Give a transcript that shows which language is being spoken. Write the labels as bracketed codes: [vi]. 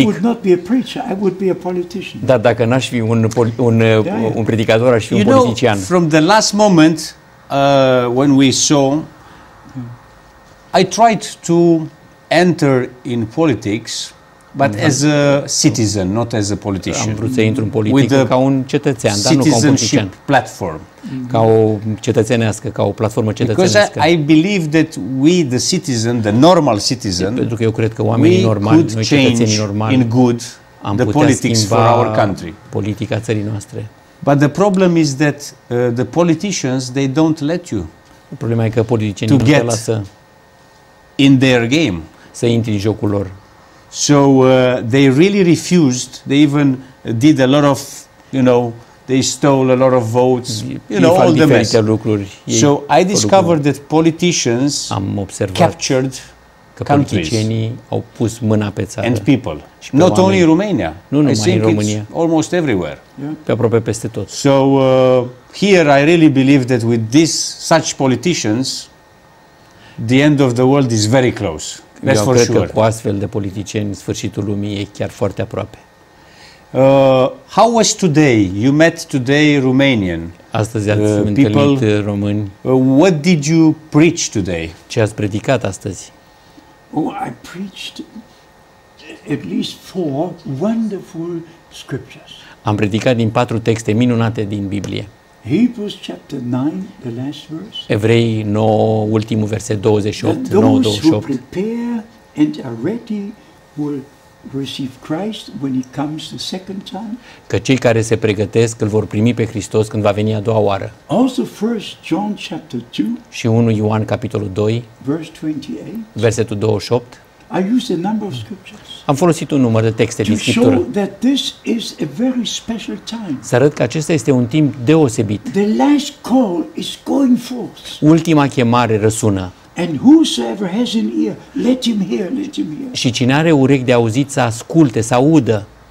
[en] I would not be a preacher, I would be a politician. [ro] Dar dacă n-aș fi un predicator, aș fi [en] you [ro] un politician. [en] Know, from the last moment when we saw I tried to enter in politics, but as a citizen, not as a politician. [ro] Am vrut să intru în politică ca un cetățean, dar nu ca un [en] politician. With a citizenship platform. [ro] Ca o cetățenească, ca o platformă cetățenească. [en] Because I believe that we, the citizen, the normal citizen, [ro] pentru că eu cred că oamenii normali, noi cetățenii normali, [en] in good, am the politics for our country. [ro] Politica țării noastre. [en] But the problem is that the politicians, they don't let you. [ro] Problema e că politicienii nu te lasă [en] in their game. [ro] Să intri în jocul lor. [en] So they really refused. They even did a lot of, you know, they stole a lot of votes, you know, all the mess. [ro] Lucruri, [en] so I discovered that politicians [ro] am observat [en] captured [ro] că politicienii au pus mâna pe țară. [en] And people. [ro] Și [en] not [ro] oamenii. [en] Only in Romania. [ro] Nu numai în România. [en] Almost everywhere. Yeah. [ro] Pe aproape peste tot. [en] So here I really believe that with this such politicians the end of the world is very close. That's [ro] eu cred [en] for sure. [ro] Că cu astfel de politicieni sfârșitul lumii e chiar foarte aproape. [en] How was today? You met today Romanian. [ro] Astăzi ați întâlnit români. [en] What did you preach today? [ro] Ce ați predicat astăzi? [en] Oh, I preached at least 4 wonderful scriptures. [ro] Am predicat din 4 texte minunate din Biblie. [en] Hebrews chapter 9, the last verse. [ro] Evrei 9, ultimul verset 28, 9-28. [en] Those who prepare and are ready will receive Christ when he comes the second time. [ro] Că cei care se pregătesc îl vor primi pe Hristos când va veni a doua oară. [en] Also 1 John chapter 2. [ro] Și 1 Ioan capitolul 2. [en] Verse 28. [ro] Versetul 28. [en] I use a number of scriptures. [ro] Am folosit un număr de texte din Scriptură. [en] To show that this is a very special time. [ro] Să arăt că acesta este un timp deosebit. [en] The last call is going forth. [ro] Ultima chemare răsună. [en] And whosoever has an ear, let him hear, let him hear. [ro] Și cine are urechi de auzit să asculte, să audă.